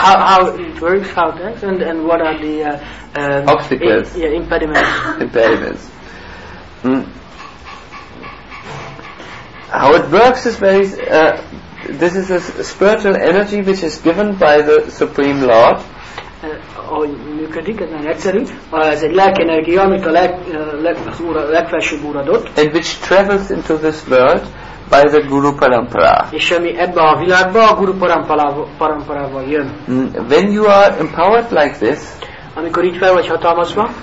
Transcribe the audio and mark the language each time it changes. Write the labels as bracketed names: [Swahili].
[English] How it works, how it works, and what are the obstacles? Impediments. How it works is very. This is a spiritual energy which is given by the Supreme Lord. [Hungarian] Ahogy működik, ez nagyon egyszerű. Ez egy lelkenergia, amit a legfelsőbb úr adott. [English] And which travels into this world by the Guru Parampara. [Hungarian] És ami ebbe a világba a Guru Paramparával jön. [English] When you are empowered like this, [Hungarian] amikor így fel vagy hatalmazva,